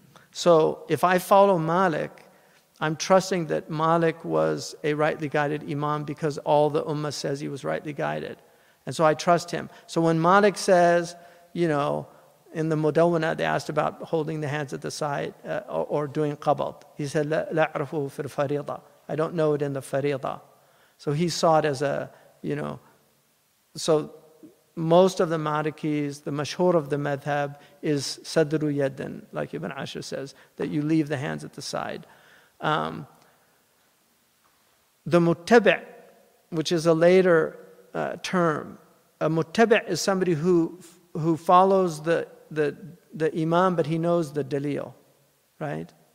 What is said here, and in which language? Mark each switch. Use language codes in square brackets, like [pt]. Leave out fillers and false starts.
[en] So if I follow Malik, I'm trusting that Malik was a rightly guided imam because all the ummah says he was rightly guided. And so I trust him. So when Malik says, you know, in the Mudawwana, they asked about holding the hands at the side or doing qabalt. He said, [ar] لَعْرَفُهُ فِي الْفَرِيضَ. [en] I don't know it in the farida. So he saw it as a, you know, so most of the Malikis, the mashhur of the madhab is sadru yaddin, like Ibn Ashur says, that you leave the hands at the side. The muttabi', which is a later term, a muttabi' is somebody who follows the imam, but he knows the dalil, right?